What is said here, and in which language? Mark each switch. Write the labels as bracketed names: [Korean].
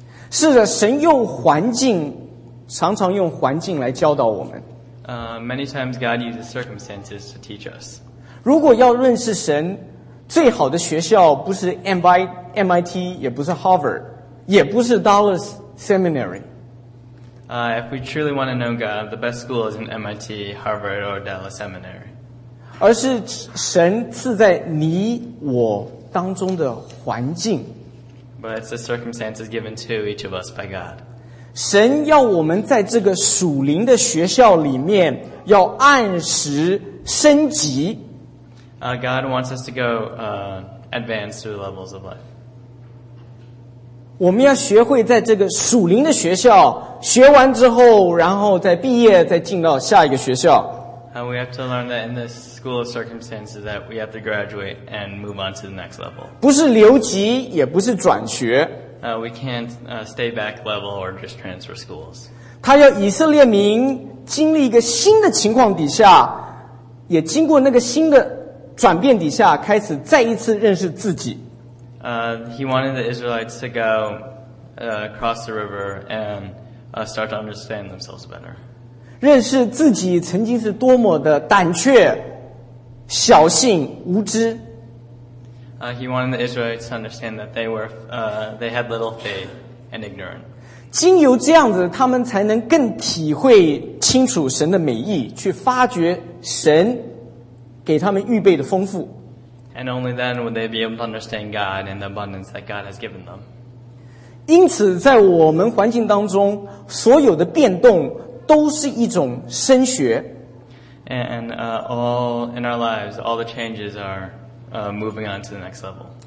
[Chinese] 是的，神用环境，常常用环境来教导我们。 [English] Many times God uses circumstances to teach us. [Chinese] 如果要认识神，最好的学校不是 MIT, 也不是 Harvard, 也不是 Dallas Seminary. [English] If we truly want to know God, the best school isn't MIT, Harvard, or Dallas Seminary. [Chinese] 而是神赐在你我当中的环境。 [English] But it's the circumstances given to each of us by God. [Chinese] 神要我们在这个属灵的学校里面要按时升级。 [English] God wants us to go advance through the levels of life. [Chinese] 我们要学会在这个属灵的学校学完之后，然后再毕业，再进到下一个学校。 [English] We have to learn that in this school of circumstances that we have to graduate and move on to the next level. [Chinese] 不是留级，也不是转学。 [English] We can't stay back level or just transfer schools. [Chinese] 他要以色列民经历一个新的情况底下，也经过那个新的转变底下开始再一次认识自己。 [English] He wanted the Israelites to go across the river and start to understand themselves better. [Chinese] 认识自己曾经是多么的胆怯、小性、无知。 [English] He wanted the Israelites to understand that they had little faith and ignorant. [Chinese] 经由这样子，他们才能更体会清楚神的美意，去发掘神给他们预备的丰富。 [English] And only then would they be able to understand God and the abundance that God has given them. [Chinese] 因此在我们环境当中所有的变动都是一种升学。 [English] And all in our lives, all the changes are moving on to the next level.